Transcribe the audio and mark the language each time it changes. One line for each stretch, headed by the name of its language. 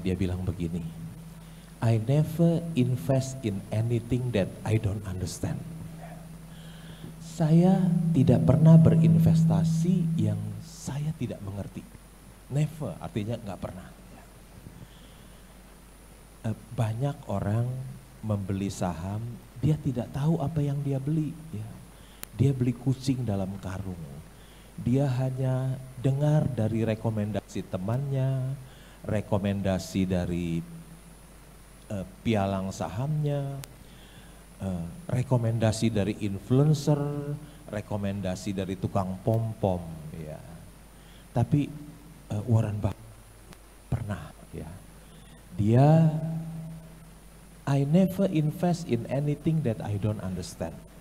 Indonesian: Dia bilang begini,
English: I never invest in anything that I don't understand.
Indonesian: Saya tidak pernah berinvestasi yang saya tidak mengerti. Never, artinya enggak pernah. Banyak orang membeli saham, dia tidak tahu apa yang dia beli. Dia beli kucing dalam karung. Dia hanya dengar dari rekomendasi temannya, rekomendasi dari pialang sahamnya, rekomendasi dari influencer, rekomendasi dari tukang pom-pom, ya. Tapi Warren Buffett pernah, ya.
English: Dia, I never invest in anything that I don't understand.